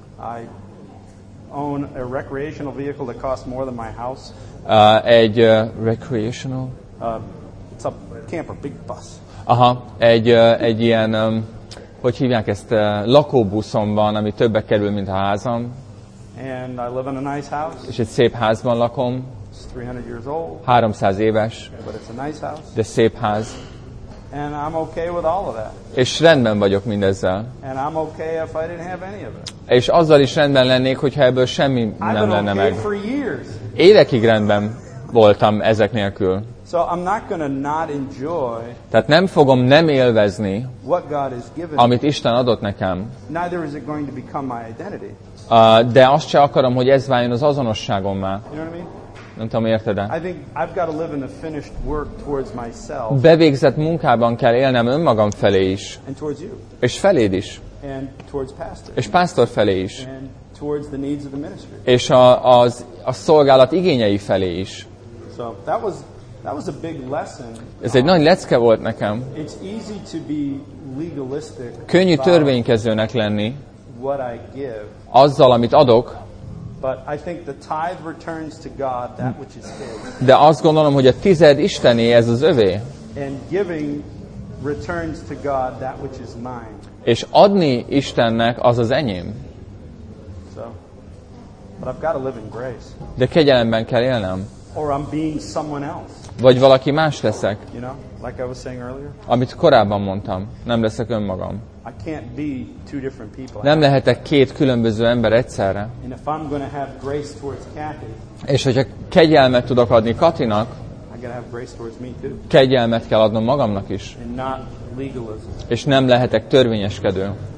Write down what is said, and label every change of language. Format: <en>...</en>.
<en>I own a recreational vehicle that costs more than my house.</en> <hu>Egy recreational.</hu> <en>It's a camper, big bus.</en> <hu>Aha, egy ilyen hogy hívják ezt, lakóbuszom van, ami többe kerül, mint a házam.</hu> <en>And I live in a nice house.</en> <hu>És egy szép házban lakom.</hu> <en>It's 300 years old.</en> <hu>300 éves.</hu> <en>But it's a nice house.</en> <hu>De szép ház.</hu> <en>And I'm okay with all of that.</en> <hu>És rendben vagyok mindezzel.</hu> <en>And I'm okay if I didn't have any of it.</en> <hu>És azzal is rendben lennék, hogyha ebből semmi nem lenne</hu> <en>okay</en> <hu>meg.</hu> <en>For years.</en> <hu>Évekig rendben voltam ezek nélkül.</hu> <en>So I'm not gonna not enjoy,</en> <hu>tehát nem fogom nem élvezni, amit Isten adott nekem.</hu> <en>Neither is it going to become my identity.</en> <hu>De azt sem akarom, hogy ez váljon az azonosságommá.</hu> <en>You know what I mean?</en> <hu>Nem tudom, érted-e?</hu> <en>I think I've got to live in the finished work towards myself.</en> <hu>Bevégzett munkában kell élnem önmagam felé is.</hu> <en>And towards you.</en> <hu>És feléd is.</hu> <en>And towards pastor.</en> <hu>És pásztor felé is.</hu> <en>And towards the needs of the ministry.</en> <hu>És a szolgálat igényei felé is.</hu> <en>So that was a big lesson.</en> <hu>Ez egy nagy lecke volt nekem.</hu> <en>It's easy to be legalistic.</en> <hu>Könnyű törvénykezőnek lenni.</hu> <en>What I give.</en> <hu>Azzal, amit adok.</hu> <en>But I think the tithe returns to God that which is His.</en> <hu>De azt gondolom, hogy a tized Istené, ez az övé.</hu> <en>And giving returns to God that which is mine.</en> <hu>És adni Istennek, az az enyém.</hu> <en>So, but I've got to live in grace.</en> <hu>De kegyelemben kell élnem.</hu> <en>Or I'm being someone else.</en> <hu>Vagy valaki más leszek.</hu> <en>You know, like I was saying earlier.</en> <hu>Amit korábban mondtam, nem leszek önmagam.</hu> <en>I can't be two different people.</en> <hu>Nem lehetek két különböző ember egyszerre.</hu> <en>And if I'm gonna have grace towards Kathy,</en> <hu>és hogyha kegyelmet tudok adni Katinak,</hu> <en>I gotta have grace towards me too.</en> <hu>Kegyelmet kell adnom magamnak is.</hu> <en>And not legalism.</en> <hu>És nem lehetek törvényeskedő.</hu>